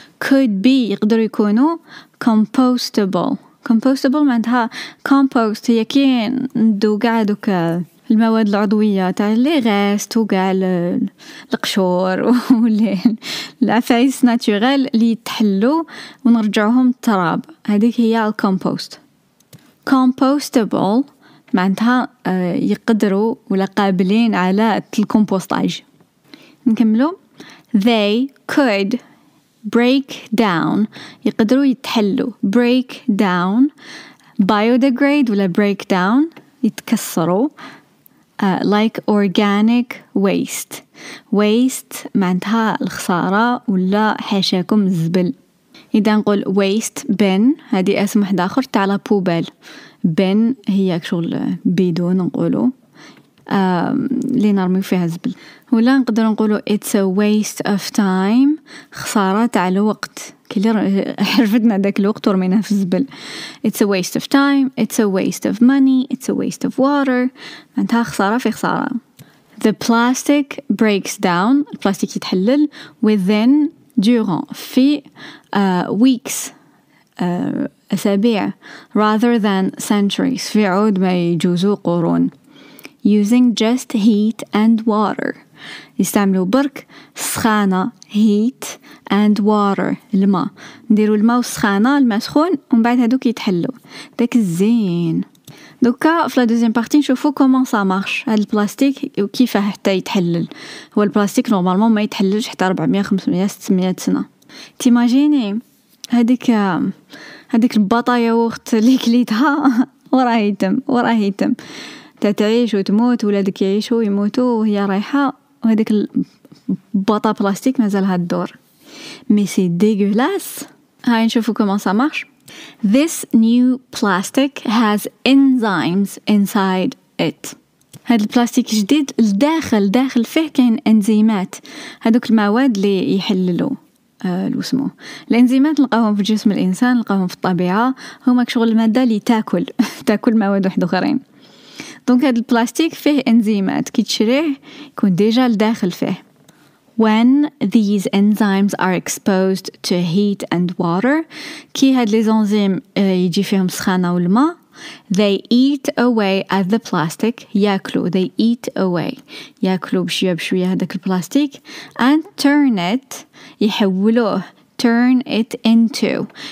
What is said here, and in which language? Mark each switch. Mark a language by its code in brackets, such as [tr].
[ar] كود بي يقدروا يكونوا كومبوستابل معناتها كومبوست هي كي ندو كاع دوك المواد العضوية تاع لي غاست وكاع القشور والعفايس ناتوريل اللي تحلو ونرجعهم التراب، هذيك هي الكومبوست. كومبوستابل معناتها يقدروا ولا قابلين على الكومبوستاج. نكملو they could break down يقدروا يتحلو break down biodegrade ولا break down يتكسروا like organic waste معناتها الخسارة ولا حاشاكم الزبل. إذا نقول waste bin هذه اسم واحد آخر تاع لا بوبال، bin هي شغل بيدون نقوله اللي نرمي فيها الزبل. ولا نقدر نقوله it's a waste of time خسارة تاع الوقت، كلي حرفتنا داك الوقت ورمينا في الزبل. [en] It's a waste of time, it's a waste of money, it's a waste of water معناتها خسارة في خسارة. [ar] The plastic breaks down البلاستيك يتحلل within durant في weeks أسابيع rather than centuries في عود ما يجوزوا قرون. Using just heat and water يستعملوا برك سخانة heat and water الماء، نديروا الماء والسخانة الماء سخون ومن بعد هادوك يتحلوا داك الزين. دوكا في لا دوزيام بارتي نشوفوا كومون سا مارش هاد البلاستيك وكيفاه حتى يتحلل. هو البلاستيك نورمالمون ما يتحللش حتى 400 500 600 سنة. تيماجيني هاديك البطايا وقت اللي كليتها وراه يتم تعيش وتموت، ولادك يعيشوا ويموتوا وهي رايحة وهذيك البطا بلاستيك مازال هاد الدور. مي سي ديغولاس. هاي نشوفو كومون سا مارش. [en] This new plastic has enzymes inside it. [ar] هاد البلاستيك الجديد الداخل فيه كاين انزيمات، هادوك المواد اللي يحللو الوسمو. الانزيمات نلقاهم في جسم الانسان، نلقاهم في الطبيعة، هما كشغل المادة اللي تاكل مواد واحد اخرين. دونك هاد البلاستيك فيه انزيمات، كي تشريه يكون ديجا لداخل فيه. [en] When these enzymes are exposed to heat and water كي هاد الانزيم يجي فيهم سخانة والماء they eat away at the plastic يأكلوا they eat away يأكلوا بشوية هادك البلاستيك and turn it يحولوه turn into